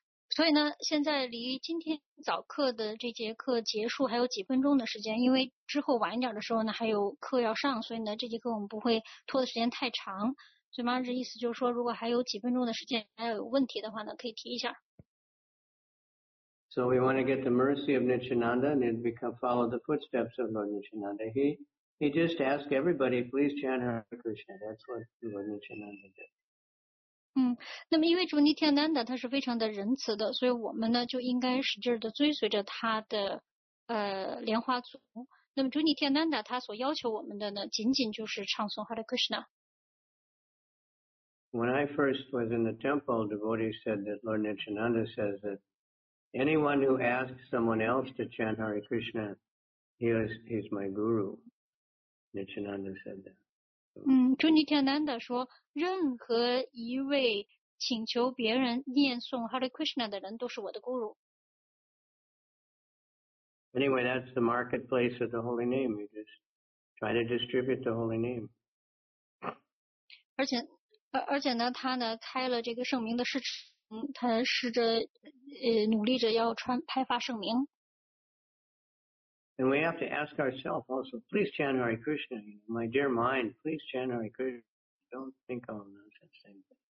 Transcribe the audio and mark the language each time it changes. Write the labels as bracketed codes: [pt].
[zh] 所以呢现在离今天早课的这节课结束还有几分钟的时间，因为之后晚一点的时候呢还有课要上，所以呢这节课我们不会拖的时间太长，所以妈这意思就是说如果还有几分钟的时间还有问题的话呢可以提一下。 [en] So we want to get the mercy of Nityananda and become follow the footsteps of Lord Nityananda. He just asked everybody, please chant Hare Krishna. That's what Lord Nityananda did. [zh] 那么因为主尼天南达他是非常的仁慈的，所以我们呢就应该使劲的追随着他的莲花足。那么主尼天南达他所要求我们的呢仅仅就是唱诵 Hare Krishna。 [en] When I first was in the temple, devotee said that Lord Nityananda says that anyone who asks someone else to chant Hare Krishna, he's my guru. Nityananda said that. [zh] 朱尼天南达说任何一位请求别人念诵 Hare Krishna 的人都是我的 guru. [en] Anyway, that's the marketplace of the holy name. You just try to distribute the holy name. [zh] 而且呢他呢开了这个圣名的市场，他试着努力着要派发圣名。 [en] And we have to ask ourselves also, please chant Hare Krishna, you know, my dear mind, please chant Hare Krishna. Don't think of nonsense anymore.